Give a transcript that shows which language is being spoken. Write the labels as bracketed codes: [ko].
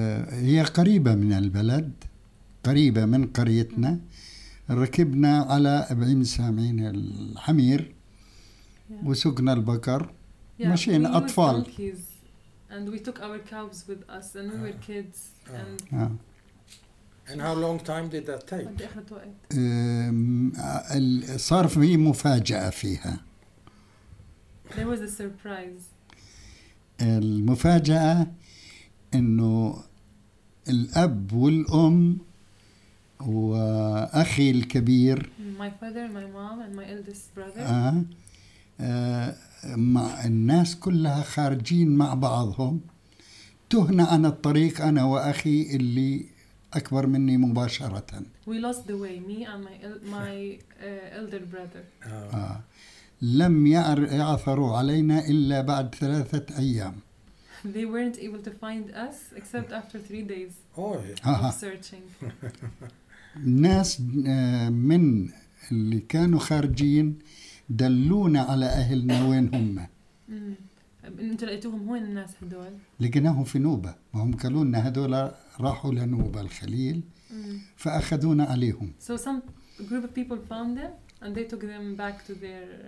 [ar] هي قريبة من البلد، قريبة من قريتنا. ركبنا على أبعين سامعين الحمير وسقنا البقر. [en] Yeah, [ar] مشينا [en] we [ar] أطفال. [en] And we took our cows with us and we were kids. And how long time did that take? [ar] صار في مفاجأة فيها. [en] There was a surprise. [ar] المفاجأة إنه الأب والأم وأخي الكبير [en] my father, my mom, and my eldest brother. [ar] مع الناس كلها خارجين مع بعضهم تهنا عن الطريق أنا وأخي اللي أكبر مني مباشرة. [en] We lost the way, me and my elder brother. [ar] لم يعثروا علينا إلا بعد ثلاثة أيام. [en] They weren't able to find us except after 3 days of searching. [ar] ناس من اللي كانوا خارجين دلونا على أهلنا وين هم. أنت لقيتوهم وين الناس هدول؟ لقيناهم في نوبة. وهم قالوا لنا هدول راحوا لنوبة الخليل. فأخذونا عليهم. [en] So some group of people found them and they took them back to their